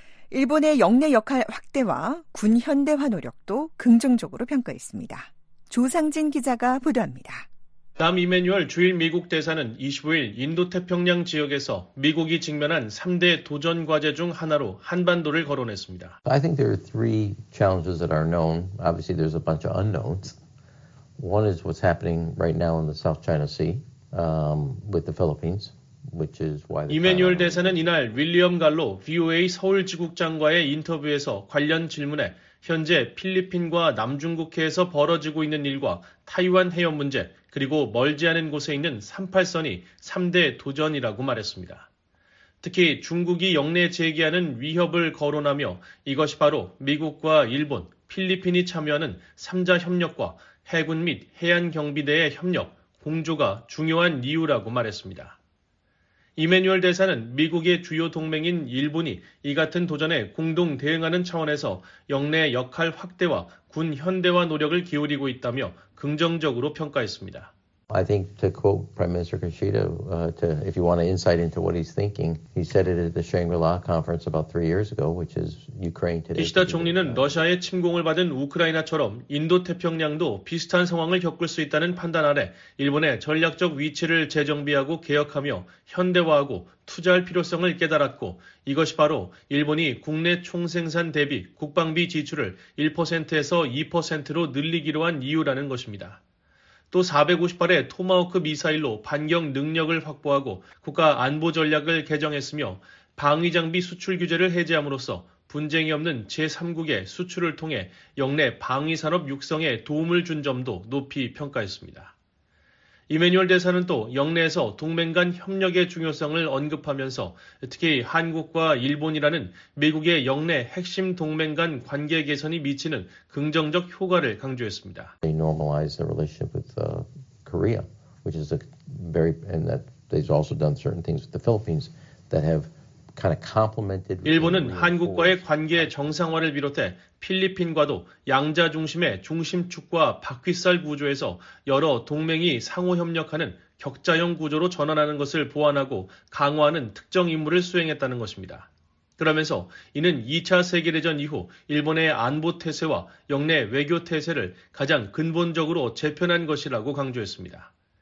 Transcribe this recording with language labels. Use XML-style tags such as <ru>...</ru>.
<ko>일본의 영내 역할 확대와 군 현대화 노력도 긍정적으로 평가했습니다. 조상진 기자가 보도합니다. 남 이매뉴얼 주일 미국 대사는 25일 인도태평양 지역에서 미국이 직면한 3대 도전 과제 중 하나로 한반도를 거론했습니다.</ko> <en>I think there are three challenges that are known. Obviously, there's a bunch of unknowns. One is what's happening right now in the South China Sea. With the Philippines, which is why.</en> <ko>이매뉴얼 대사는 이날 윌리엄 갈로 VOA 서울지국장과의 인터뷰에서 관련 질문에 현재 필리핀과 남중국해에서 벌어지고 있는 일과 타이완 해협 문제 그리고 멀지 않은 곳에 있는 38선이 3대 도전이라고 말했습니다. 특히 중국이 영내 제기하는 위협을 거론하며 이것이 바로 미국과 일본, 필리핀이 참여하는 3자 협력과 해군 및 해안 경비대의 협력. 공조가 중요한 이유라고 말했습니다. 이매뉴얼 대사는 미국의 주요 동맹인 일본이 이 같은 도전에 공동 대응하는 차원에서 영내 역할 확대와 군 현대화 노력을 기울이고 있다며 긍정적으로 평가했습니다.</ko> <en>I think to quote Prime Minister Kishida, if you want an insight into what he's thinking, he said it at the Shangri-La conference about 3 years ago, which is Ukraine today.</en> <ko>키시다 총리는 러시아의 침공을 받은 우크라이나처럼 인도태평양도 비슷한 상황을 겪을 수 있다는 판단 아래 일본의 전략적 위치를 재정비하고 개혁하며 현대화하고 투자할 필요성을 깨달았고 이것이 바로 일본이 국내 총생산 대비 국방비 지출을 1%에서 2%로 늘리기로 한 이유라는 것입니다. 또 458의 토마호크 미사일로 반격 능력을 확보하고 국가 안보 전략을 개정했으며 방위 장비 수출 규제를 해제함으로써 분쟁이 없는 제3국의 수출을 통해 영내 방위 산업 육성에 도움을 준 점도 높이 평가했습니다. 이매뉴얼 대사는 또 영내에서 동맹 간 협력의 중요성을 언급하면서 특히 한국과 일본이라는 미국의 영내 핵심 동맹 간 관계 개선이 미치는 긍정적 효과를 강조했습니다.</ko> <en>They normalized the relationship with Korea, which is a very and that they've also done certain things with the Philippines that have kind of complemented.</en> <ko>일본은 한국과의 관계 정상화를 비롯해 필리핀과도 양자 중심의 중심축과 바퀴살 구조에서 여러 동맹이 상호 협력하는 격자형 구조로 전환하는 것을 보완하고 강화하는 특정 임무를 수행했다는 것입니다. 그러면서 이는 2차 세계대전 이후 일본의 안보 태세와 영내 외교 태세를 가장 근본적으로 재편한 것이라고 강조했습니다.</ko>